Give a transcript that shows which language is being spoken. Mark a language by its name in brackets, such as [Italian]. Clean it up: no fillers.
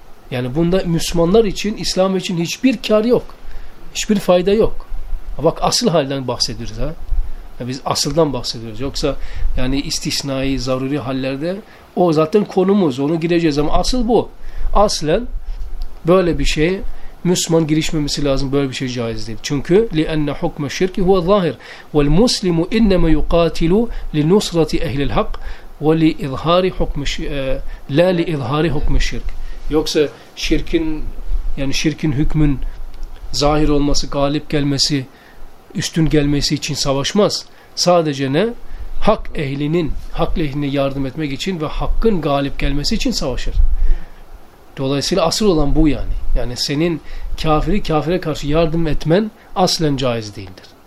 [Turkish] Yani bunda Müslümanlar için, İslam için hiçbir kar yok. Hiçbir fayda yok. Bak asıl halden bahsediyoruz ha. Ya biz asıldan bahsediyoruz. Yoksa yani istisnai, zaruri hallerde o zaten konumuz. Onu gireceğiz ama asıl bu. Aslen böyle bir şey Müslüman girişmemesi lazım böyle bir şey caiz değil. Çünkü [Arabic] لأن حكم الشرك هو الظاهر والمسلم إنما يقاتل لنصرة أهل الحق ولإظهار حكم لا لإظهار حكم الشرك. [Turkish] Yoksa şirkin hükmün zahir olması, galip gelmesi, üstün gelmesi için savaşmaz. Sadece ne? Hak ehline yardım etmek için ve hakkın galip gelmesi için savaşır. Dolayısıyla asıl olan bu yani. Yani senin kafiri kafire karşı yardım etmen aslen caiz değildir.